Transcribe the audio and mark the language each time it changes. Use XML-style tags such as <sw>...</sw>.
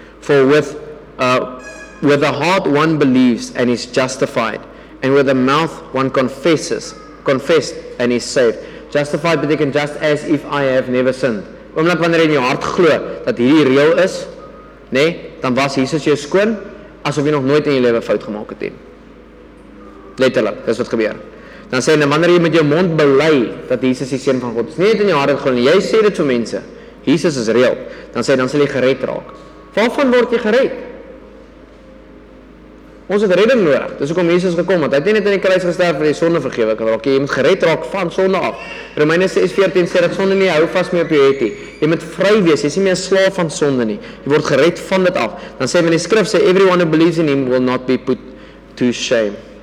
<en>For with the heart one believes and is justified, and with the mouth one confesses and is saved. Justified beteken just as if I have never sinned.</en> <af>Oomblik wanneer jy in jou hart glo dat hierdie reël is, nê, dan was Jesus jou skoon asof jy nog nooit in jou lewe fout gemaak het nie. Letterlik, dis wat gebeur. Dan sê hulle, wanneer jy met jou mond bely dat Jesus die seun van God is, nie net in jou hart glo nie, jy sê dit vir mense, Jesus is reël, dan sal jy gered raak. Waarvan word jy gered? Ons het redding nodig. Dis hoekom Jesus gekom het. Hy het nie net aan die kruis gesterf vir die sonde vergewe kan raak. Jy moet gered raak van sonde af. Romeine 6:14 sê dat sonde nie hou vas meer op jou het nie. Jy moet vry wees. Jy is nie meer 'n slaaf van sonde nie. Jy word gered van dit af. Dan sê men die skrif sê</af> <en>everyone who believes in him will not be put to shame.</en>